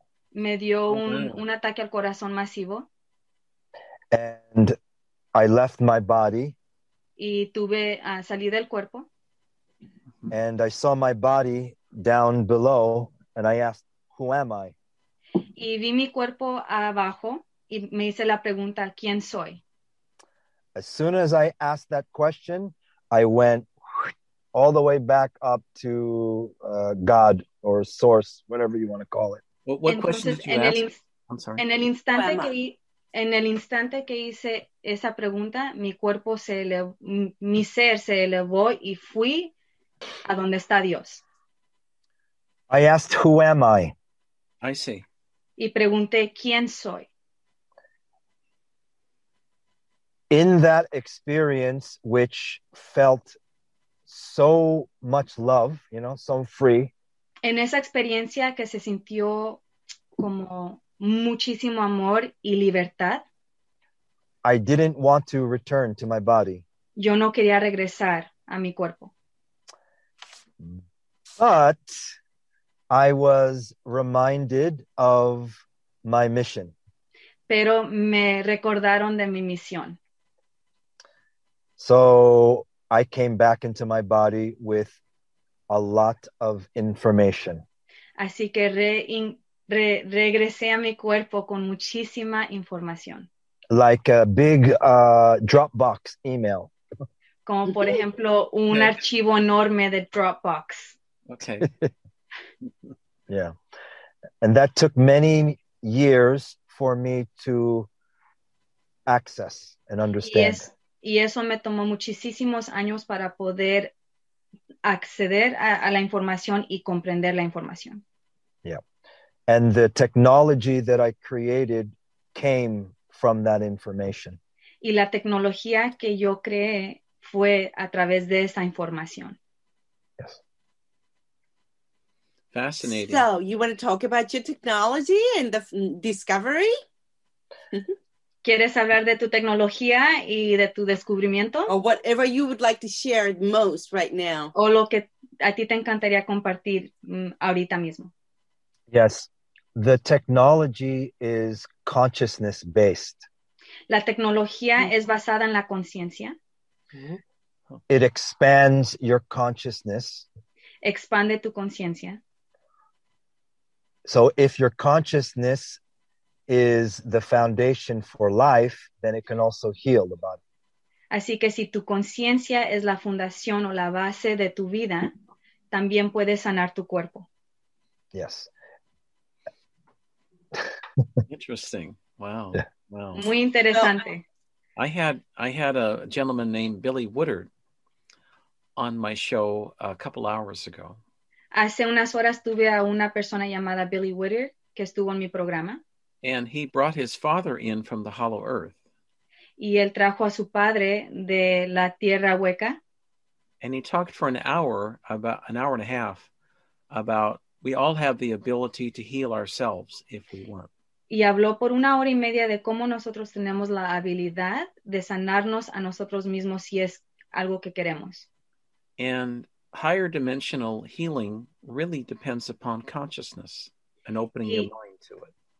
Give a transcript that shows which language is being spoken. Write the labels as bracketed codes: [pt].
[es] Me dio un ataque al corazón masivo. [en] And I left my body. [es] Y tuve salí del cuerpo. [en] And I saw my body down below, and I asked, "Who am I?" [es] Y vi mi cuerpo abajo y me hice la pregunta, ¿quién soy? [en] As soon as I asked that question, I went all the way back up to God or Source, whatever you want to call it. What question did you ask? I'm sorry. [es] En el instante que hice esa pregunta, mi cuerpo se elevó, mi ser se elevó y fui a donde está Dios. [en] I asked, "Who am I?" I see. [es] Y pregunté, ¿quién soy? [en] In that experience, which felt so much love, you know, so free. [es] En esa experiencia que se sintió como muchísimo amor y libertad. [en] I didn't want to return to my body. [es] Yo no quería regresar a mi cuerpo. [en] But I was reminded of my mission. [es] Pero me recordaron de mi misión. [en] So I came back into my body with a lot of information. [es] Así que regresé a mi cuerpo con muchísima información. [en] Like a big Dropbox email. [es] Como por ejemplo un archivo enorme de Dropbox. [en] Okay. Yeah. And that took many years for me to access and understand. [es] Y eso me tomó muchísimos años para poder acceder a la información y comprender la información. [en] Yeah. And the technology that I created came from that information. [es] Y la tecnología que yo creé fue a través de esa información. [en] Yes. Fascinating. So, you want to talk about your technology and the discovery? [es] ¿Quieres hablar de tu tecnología y de tu descubrimiento? [en] Or whatever you would like to share most right now. [es] O lo que a ti te encantaría compartir ahorita mismo. [en] Yes. The technology is consciousness based. [es] La tecnología es basada en la conciencia. Mm-hmm. [en] It expands your consciousness. [es] Expande tu conciencia. [en] So if your consciousness is the foundation for life, then it can also heal the body. [es] Así que si tu conciencia es la fundación o la base de tu vida, también puedes sanar tu cuerpo. [en] Yes. Interesting. Wow. Wow. [es] Muy interesante. [en] I had a gentleman named Billy Woodard on my show a couple hours ago. [es] Hace unas horas tuve a una persona llamada Billy Woodard que estuvo en mi programa. [en] And he brought his father in from the hollow earth. [es] Y él trajo a su padre de la tierra hueca. [en] And he talked for an hour and a half about we all have the ability to heal ourselves if we want. [es] Y habló por una hora y media de cómo nosotros tenemos la habilidad de sanarnos a nosotros mismos si es algo que queremos. [en] And higher dimensional healing really depends upon consciousness and opening your mind to it.